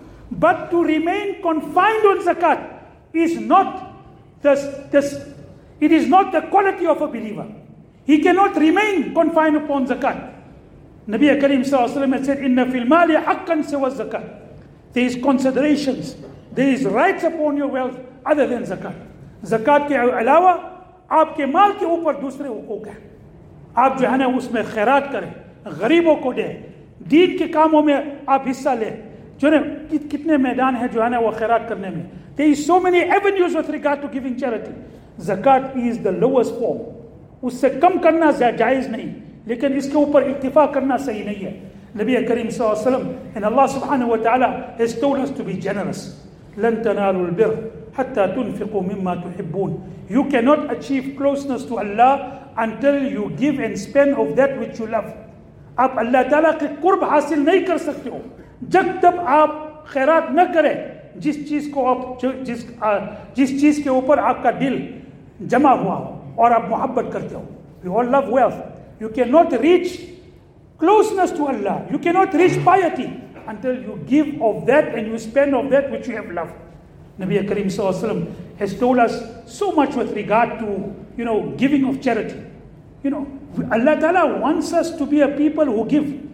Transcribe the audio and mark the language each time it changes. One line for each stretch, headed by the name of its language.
English: But to remain confined on zakat is not it is not the quality of a believer. He cannot remain confined upon zakat. Nabi Karim sallallahu alaihi wasallam said,
Arabic: "Inna fil mali haqqan siwa zakat."
English: There is considerations. There is rights upon your wealth other than zakat.
Urdu: Zakat ke alawa, aapke maal ke upar dusre huquq hain. Aap jo hai na usme khairat kare, غریبوں کو دے, دین کے کاموں میں آپ حصہ لے. جو نا کتنے میدان ہیں جو ہے نا وہ خیرات کرنے میں.
English: There is so many avenues with regard to giving charity. Zakat is the lowest form.
Urdu: اس سے کم کرنا جائز نہیں, لیکن اس کے اوپر اکتفا کرنا صحیح نہیں ہے.
English: نبی کریم صلی اللہ علیہ وسلم and Allah سبحانہ وتعالی has told us to be generous.
Arabic: لن تنالوا البر حتى تنفقوا مما تحبون.
English: You cannot achieve closeness to Allah until you give and spend of that which you love.
Urdu: آپ اللہ تعالیٰ کے قرب حاصل نہیں کر سکتے ہو جب تب آپ خیرات نہ کریں جس چیز کے اوپر آپ کا دل جمع ہوا اور آپ محبت کرتے ہو.
English: We all love wealth. You cannot reach closeness to Allah. You cannot reach piety until you give of that and you spend of that which you have loved. Nabi Karim صلی اللہ علیہ وسلم has told us so much with regard to, you know, giving of charity. You know, Allah Ta'ala wants us to be a people who give.